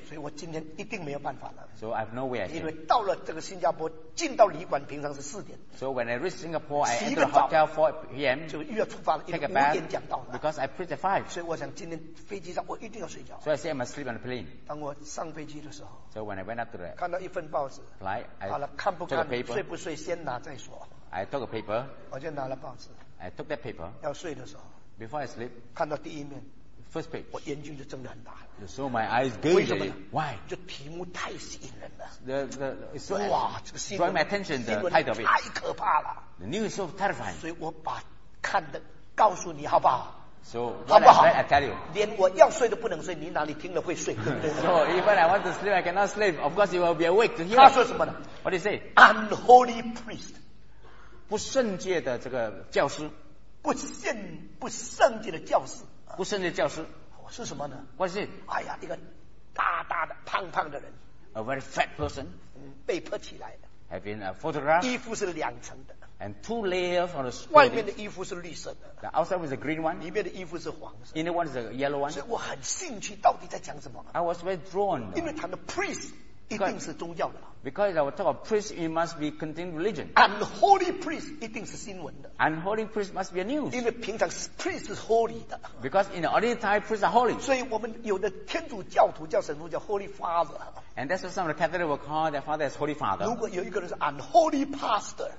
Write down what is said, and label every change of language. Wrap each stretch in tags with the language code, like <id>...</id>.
<zh>所以我今天一定没有办法了。</zh> <en>So I have no way.</en> <zh>因为到了这个新加坡，进到旅馆平常是4点。</zh> <en>So when I reached Singapore, I entered the hotel 4 p.m.</en> <zh>就又要出发了，因为5点讲到了。</zh> <en>Because I preached at 5.</en> <zh>所以我想今天飞机上我一定要睡觉。</zh> <en>So I said I must sleep on the plane.</en> <zh>当我上飞机的时候。</zh> <en>So when I went up to the.</en> <zh>看到一份报纸。</zh> <en>Flight.</en> <zh>好了，看不看睡不睡先拿。</zh> <en>I took a paper.</en> <zh>我就拿了报纸。</zh> <en>I took that paper.</en> <zh>要睡的时候。</zh> <en>Before I sleep.</en> <zh>看到第一面。</zh> <en>First page.</en> <zh>我眼睛就睁得很大。</zh> <en>So my eyes glazed.</en> <zh>为什么呢？</zh> <en>Why?</en> <zh>这题目太吸引人了。</zh> <en>The</en> <zh>哇，这个新闻。</zh> <en>Draw my attention. The title of it.</en> <zh>太可怕了。</zh> <en>The news is so terrifying.</en> <zh>所以我把看的告诉你，好不好？</zh> <en>So,</en> <zh>好不好</zh> <en>I tell you.</en> <zh>连我要睡都不能睡，你哪里听了会睡？对不对</zh> <en>？So even I want to sleep, I cannot sleep. Of course, you will be awake to hear.</en> <zh>他说什么呢</zh> <en>？What he say? Unholy priest,</en> <zh>不圣洁的这个教师，不圣洁的教师，不圣洁的教师是什么呢</zh> <en>？What is it?</en> <zh>哎呀，一个大大的胖胖的人</zh> <en>，a very fat person,</en> <zh>被迫起来的</zh> <en>，have been a photograph,</en> <zh>衣服是两层的</zh> <en>And two layers on the</en> <zh>skirt. 外面的衣服是绿色的。</zh> <en>The outside was a green one.</en> <zh>里面的衣服是黄色。</zh> <en>Inner one is a yellow one.</en> <zh>所以我很兴趣到底在讲什么。</zh> <en>I was very drawn.</en> <zh>因为谈的 priest 一定是宗教的了。</zh> <en>Because I was talking about priest, it must be contained religion. Unholy priest</en> <zh>一定是新闻的。</zh> <en>Unholy priest must be a news.</en> <zh>因为平常 priest 是 holy 的。</zh> <en>Because in the ordinary time, priests are holy.</en> <zh>所以我们有的天主教徒叫神父叫 Holy Father。</zh> <en>And that's what some of the Catholics will call their father as Holy Father.</en> <zh>如果有一个人是</zh> <en>unholy pastor,</en>